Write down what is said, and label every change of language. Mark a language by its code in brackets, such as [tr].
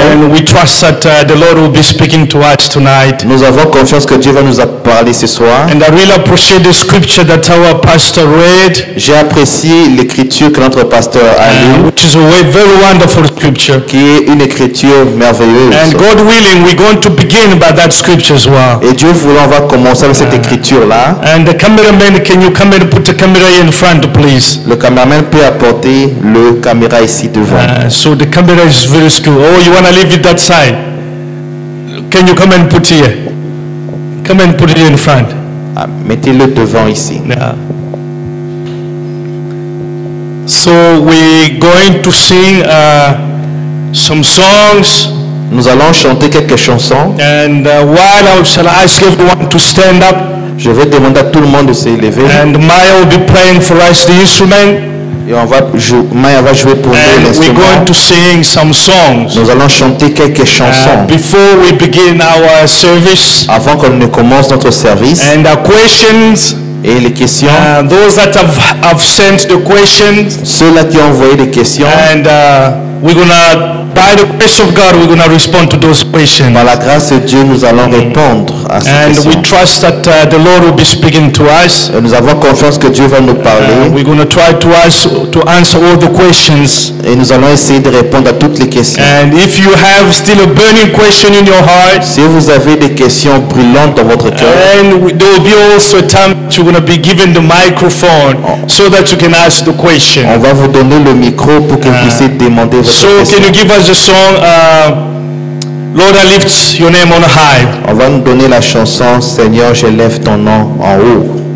[en] And we trust that the Lord will be speaking to us tonight. [fr] Nous avons confiance que Dieu va nous parler ce soir. [en] And I really appreciate the scripture that our pastor read. [fr] J'ai apprécié l'écriture que notre pasteur a lu. [en] Which is a very wonderful scripture. [fr] Qui est une écriture merveilleuse. [en] And God willing, we're going to begin by that scripture as well. [fr] Et Dieu voulant, on va commencer avec cette écriture là. [en] And the cameraman, can you come and put the camera in front, please? [fr] Le cameraman peut apporter le caméra ici devant. [en] So the camera. It's very cool. Oh, you want to leave it that side? Can you come and put it here? Come and put it in front. [fr] Mettez-le devant ici. [en] Yeah. So we're going to sing some songs. [fr] Nous allons chanter quelques chansons. [en] And while I shall ask everyone to stand up. [fr] Je vais demander à tout le monde de se lever. [en] And Maya will be playing for us the instrument. [fr] Et on va jouer pour nous l'instrument. [en] And we're going to sing some songs. [fr] Nous allons chanter quelques chansons. [en] Before we begin our service. [fr] Avant qu'on ne commence notre service. [en] And our questions. [fr] Et les questions. [en] Those that have sent the questions. [fr] Ceux-là qui ont envoyé les questions. [en] And we're gonna, by the grace of God, we're gonna respond to those questions. [fr] Par la grâce de Dieu, nous allons répondre à ces [en] and [fr] questions. [en] And we trust that the Lord will be speaking to us. [fr] Et nous avons confiance que Dieu va nous parler. [en] We're gonna try to answer all the questions. [fr] Et nous allons essayer de répondre à toutes les questions. [en] And if you have still a burning question in your heart, [fr] si vous avez des questions brûlantes dans votre cœur, [en] and there will be also a time that you're gonna be given the microphone so that you can ask the question. [fr] On va vous donner le micro pour que vous puissiez demander votre question. [en] So can you give us the song Lord, I lift your name on high. [fr] On va nous donner la chanson Seigneur, je lève ton nom en haut.